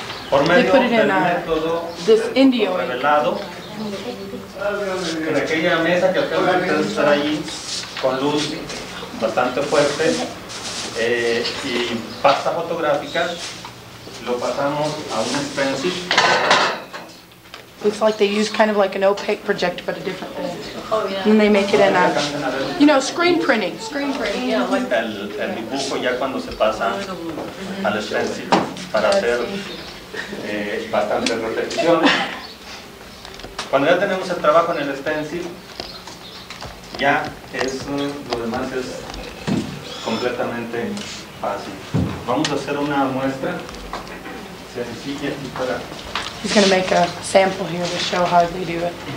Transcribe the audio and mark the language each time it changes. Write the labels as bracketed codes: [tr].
[es] Por medio del método revelado, en aquella mesa que actualmente debe estar ahí, con luz bastante fuerte, y pasta fotográfica, lo pasamos a un stencil. [en] Looks like they use kind of like an opaque projector, but a different thing. And they make it in a, you know, screen printing. Screen printing, yeah. Like [es] el dibujo ya cuando se pasa al stencil para hacer bastante repetición. Cuando ya tenemos el trabajo en el stencil, ya es lo demás es completamente fácil. Vamos a hacer una muestra sencilla y para. [en] He's going to make a sample here to show how they do it.